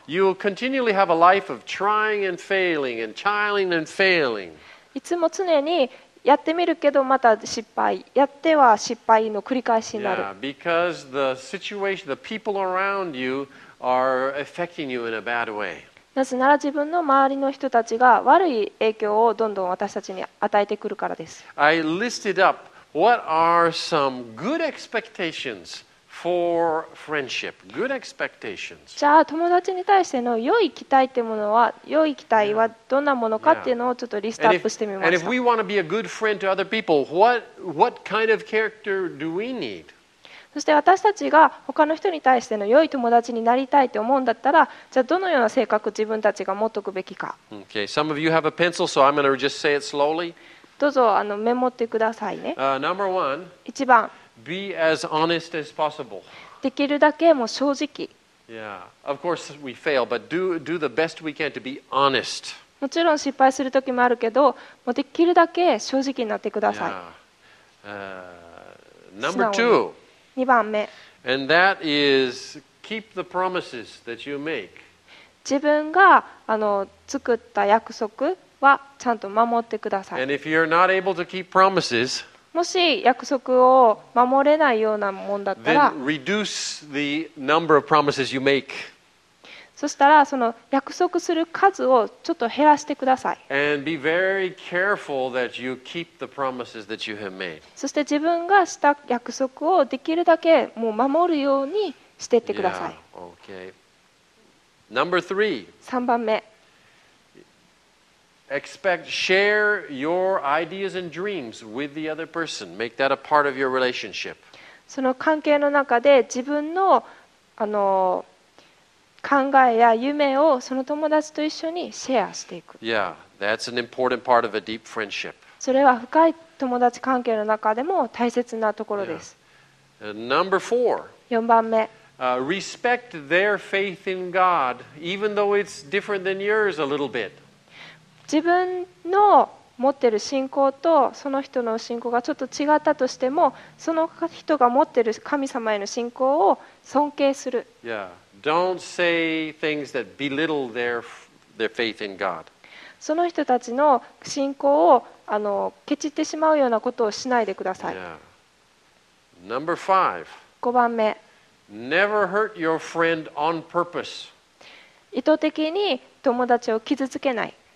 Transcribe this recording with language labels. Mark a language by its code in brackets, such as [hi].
[en] You will continually have a life of trying and failing and trying and failing. [ja] いつも常にやってみるけどまた失敗、やっては失敗の繰り返しになる。 [en] Yeah, because the situation, the people around you are affecting you in a bad way. [ja] なぜなら自分の周りの人たちが悪い影響をどんどん私たちに与えてくるからです。 [en] I listed up what are some good expectations for friendship. Good expectations. [ja] じゃあ友達に対しての良い期待ってものは、良い期待はどんなものかっていうのをちょっとリストアップしてみました。 [en] And if we want to be a good friend to other people, what kind of character do we need? [ja] そして私たちが他の人に対しての良い友達になりたいと思うんだったら、じゃあどのような性格自分たちが持っておくべきか。 [en] Okay, some of you have a pencil, so I'm going to just say it slowly. [ja] どうぞメモってくださいね。 [en] Number one. [ja] 一番。 [en] Be as honest as possible. [ja] できるだけもう正直。 [en] Yeah, of course we fail, but do the best we can to be honest. [ja] もちろん失敗するときもあるけど、もうできるだけ正直になってください。 [en] Number two. [ja] 二番目。 [en] And that is keep the promises that you make. [ja] 自分が作った約束はちゃんと守ってください。 [en] And if you're not able to keep promises. [ja] もし約束を守れないようなもんだったら、 [en] reduce the number of promises you make. [ja] そしたらその約束する数をちょっと減らしてください。 [en] And be very careful that you keep the promises that you have made. [ja] そして自分がした約束をできるだけもう守るようにしてってください。 [en] Yeah, okay. Okay. Number three. [ja] 3番目。 [en] Expect, share your ideas and dreams with the other person. Make that a part of your relationship. [ja] その関係の中で自分の、考えや夢をその友達と一緒にシェアしていく。 [en] Yeah, that's an important part of a deep friendship. [ja] それは深い友達関係の中でも大切なところです。 [en] Number four. [ja] 4番目。 [en] Respect their faith in God, even though it's different than yours a little bit. [ja] 自分の持ってる信仰とその人の信仰がちょっと違ったとしても、その人が持ってる神様への信仰を尊敬する。 [en] Yeah. Don't say things that belittle their faith in God. [ja] その人たちの信仰をケチってしまうようなことをしないでください。 [en] Yeah. Number five. [ja] 5番目。 [en] Never hurt your friend on purpose. [ja] 意図的に友達を傷つけない。